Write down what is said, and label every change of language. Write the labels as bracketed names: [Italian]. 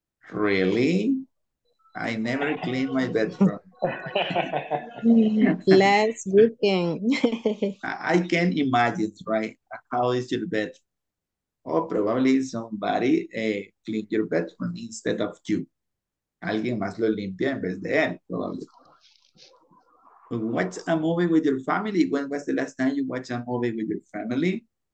[English] Really? I never clean my bedroom. Last weekend. I can imagine, right? How is your bedroom? Oh, probably somebody clean your bedroom instead of you. [Spanish] Alguien más lo limpia en vez de él, [English] probably. Watch a movie with your family. When was the last time you watched a movie with your family?